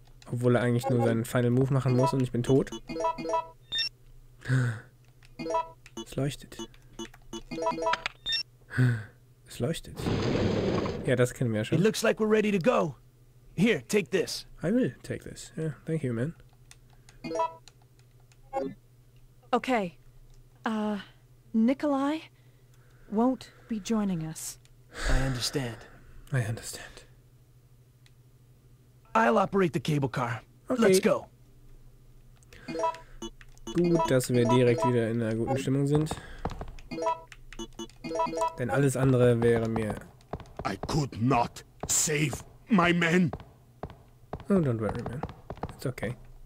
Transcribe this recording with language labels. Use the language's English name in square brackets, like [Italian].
[German] Obwohl er eigentlich nur seinen Final Move machen muss und ich bin tot. Es leuchtet. Es leuchtet. Ja, das kennen wir ja schon. [English] It looks like we're ready to go. Here, take this. I will take this. Yeah, thank you, man. Okay. Nikolai won't be joining us. I understand. I understand. I'll operate the cable car. Okay. Let's go. [German] Gut, dass wir direkt wieder in einer guten Stimmung sind. Denn alles andere wäre mir... [English] I could not save my men. Oh, don't worry, man. It's okay.